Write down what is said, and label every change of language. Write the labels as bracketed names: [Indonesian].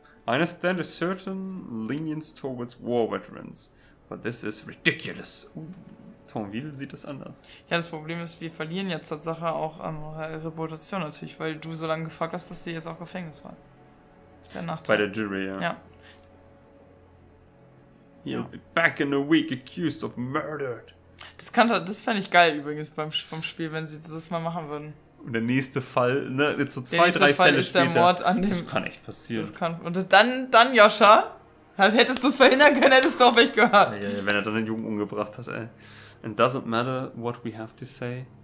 [English] I understand a certain lenience towards war veterans, but this is ridiculous. [German] Thornville sieht das anders. Ja, das Problem ist, wir verlieren jetzt tatsächlich auch unsere Reputation natürlich, weil du so lange gefragt hast, dass sie jetzt auch Gefängnis waren. Das ist der Nachteil. Bei der Jury, ja. Ja. [English] He'll be back in a week accused of murder. [German] Das fände ich geil übrigens vom Spiel, wenn sie das mal machen würden. Und der nächste Fall, ne, jetzt so 2, 3 Fall Fälle ist später. Der Mord an dem, das kann echt passieren. Das kann, und dann Joscha, also hättest du es verhindern können, hättest du auf mich gehört. Ja, wenn er dann den Jungen umgebracht hat, ey. [English] It doesn't matter what we have to say.